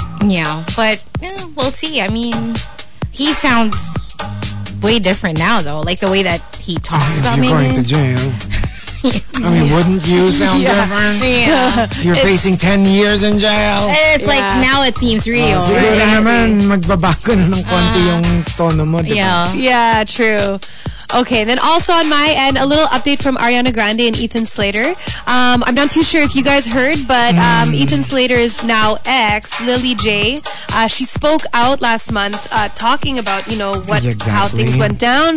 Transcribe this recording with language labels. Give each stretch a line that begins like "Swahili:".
English: Yeah, we'll see. I mean, he sounds way different now, though. Like, the way that he talks about Megan. If you're going to jail. I mean, wouldn't you sound different? You're facing 10 years in jail. It's like, now it seems real.
Filipino: Siguro naman, magbabago na ng konti yung tono mo, diba?
English: Yeah, true. Okay, then also on my end, a little update from Ariana Grande and Ethan Slater. I'm not too sure if you guys heard, but Ethan Slater's now ex, Lily J, she spoke out last month talking about, you know, what how things went down.